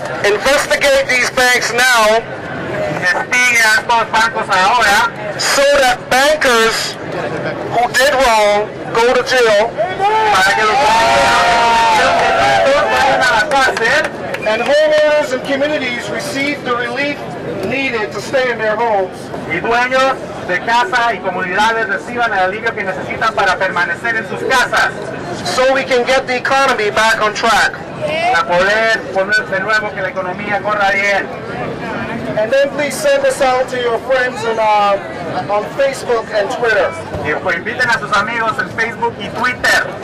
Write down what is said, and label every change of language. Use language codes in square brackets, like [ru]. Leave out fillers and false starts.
[en] Investigate these banks now so that bankers who did wrong go to jail. And homeowners and communities receive the relief needed to stay in their homes. [es] Y dueños de casa y comunidades reciban el alivio que necesitan para permanecer en sus casas. [en] So we can get the economy back on track. [es] para poder ponerse de nuevo que la economía corra bien. [en] And then please send this out to your friends and, on Facebook and Twitter. [es] Y pues inviten a sus amigos en Facebook y Twitter.